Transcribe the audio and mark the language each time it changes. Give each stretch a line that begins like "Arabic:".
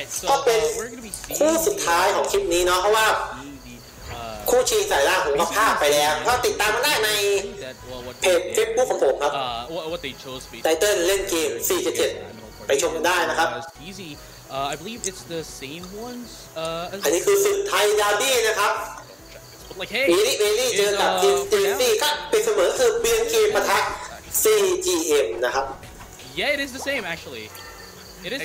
Thai: ก็เป็นคู่สุดท้ายของคลิปนี้เนาะเพราะว่าคู่ชิงสายล่างผมก็พลาดไปแล้วก็ติดตามกันได้ในเพจ Facebook ของผมครับไตเติ้ลเล่นเกม477ไปชมกันได้นะครับ
English: I believe it's the same ones
Thai: อันนี้คือสุดท้ายดาร์บี้นะครับวีลี่เบลลี่เจอกับทีมสเตซี่ก็เป็นเสมอคือ BNK ปะทะ CGM นะครับ
English: Yeah it is the same actuallyIt is